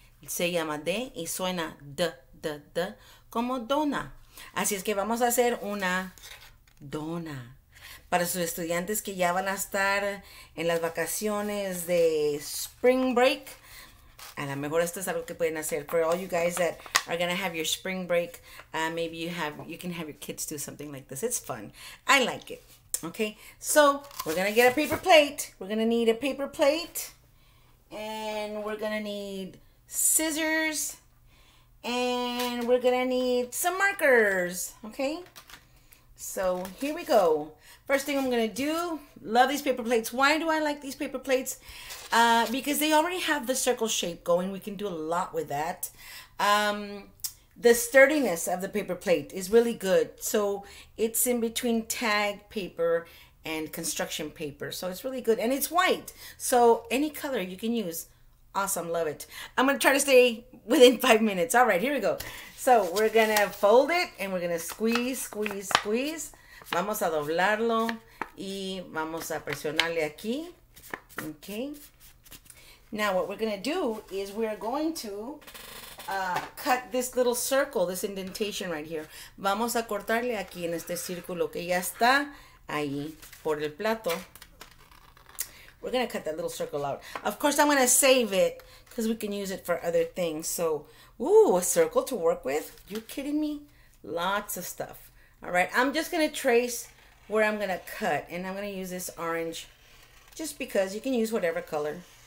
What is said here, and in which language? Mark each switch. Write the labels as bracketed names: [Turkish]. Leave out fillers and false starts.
[Spanish] Se llama D y suena D, D, D, como dona. Así es que vamos a hacer una dona para sus estudiantes que ya van a estar en las vacaciones de spring break. A lo mejor esto es algo que pueden hacer. [English] For all you guys that are gonna have your spring break, maybe you can have your kids do something like this. It's fun. I like it. Okay, so we're gonna get a paper plate. We're gonna need a paper plate. And we're gonna need scissors, and we're gonna need some markers, okay? So here we go. First thing I'm gonna do, love these paper plates. Why do I like these paper plates? Because they already have the circle shape going. We can do a lot with that. The sturdiness of the paper plate is really good. So it's in between tag paper and construction paper. So it's really good, and it's white. So any color you can use. Awesome, love it. I'm gonna try to stay within 5 minutes. All right, here we go. So we're gonna fold it and we're gonna squeeze, squeeze, squeeze. [Spanish] Vamos a doblarlo y vamos a presionarle aquí. [English] Okay. Now what we're gonna do is we're going to cut this little circle, this indentation right here. [Spanish] Vamos a cortarle aquí en este círculo que ya está ahí por el plato. [English] We're gonna cut that little circle out. Of course, I'm gonna save it because we can use it for other things. So, ooh, a circle to work with? You kidding me? Lots of stuff. All right, I'm just gonna trace where I'm gonna cut, and I'm gonna use this orange just because you can use whatever color.